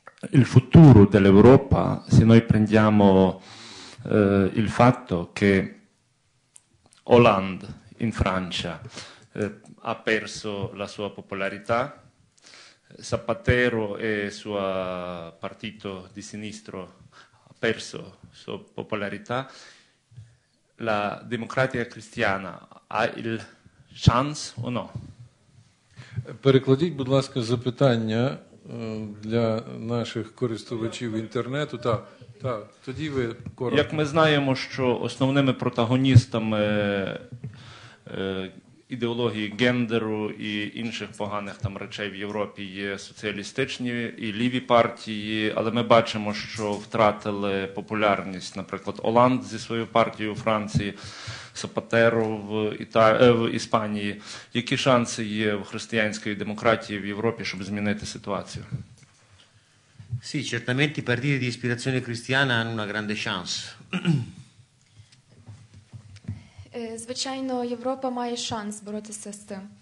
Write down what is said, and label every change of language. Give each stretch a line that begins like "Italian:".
Italian: il futuro dell'Europa, se noi prendiamo il fatto che Hollande in Francia ha perso la sua popolarità, Zapatero e il suo partito di sinistra ha perso la sua popolarità, la Democrazia Cristiana ha il chance o no?
Ukrainian: Перекладіть, будь ласка, запитання для наших користувачів інтернету. Так, так, тоді ви коротко. Як ми знаємо, що основними протагоністами ідеології гендеру і інших поганих там речей в Європі є соціалістичні і ліві партії, але ми бачимо, що втратили популярність, наприклад, Оланд зі своєю партією у Франції, Сапатеро в Іспанії. Які шанси є в християнської демократії в Європі, щоб змінити ситуацію?
Italian: Sì, certamente i partiti di ispirazione cristiana hanno una grande chance.
Ukrainian: Звичайно, Європа має шанс боротися з цим.